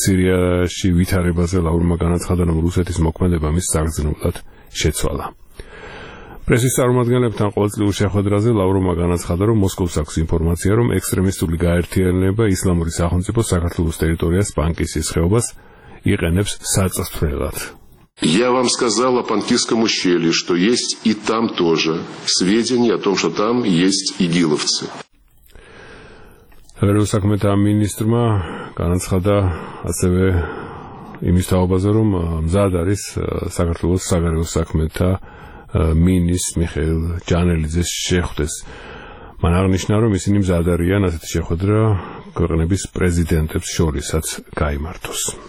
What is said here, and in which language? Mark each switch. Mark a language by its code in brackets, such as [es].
[ka] სირიაში ვითარებაზე ლავროვმა განაცხადა, რომ რუსეთის მოქმედება მის საგრძნობლად შეცვალა. პრესის წარმომადგენლებთან ყოველწლიურ შეხვედრაზე ლავროვმა განაცხადა, რომ მოსკოვს აქვს ინფორმაცია, რომ ექსტრემისტული გაერთიანება ისლამური სახელმწიფო საქართველოს ტერიტორიას პანკის სისხეობას იყენებს საწესრიგოდ. [ru] Я вам сказал о Панкисском ущелье, что есть и там тоже сведения о том, что там есть игиловцы. [ka] Საგარეო საქმეთა მინისტრმა განაცხადა ასევე იმის თაობაზე, რომ მზად არის საქართველოს საგარეო საქმეთა მინისტრ მიხეილ ჯანელიძეს შეხვდეს. მან აღნიშნა, რომ ისინი მზად არიან ასეთი შეხვედრა ქვეყნების პრეზიდენტებს შორისაც გაიმართოს.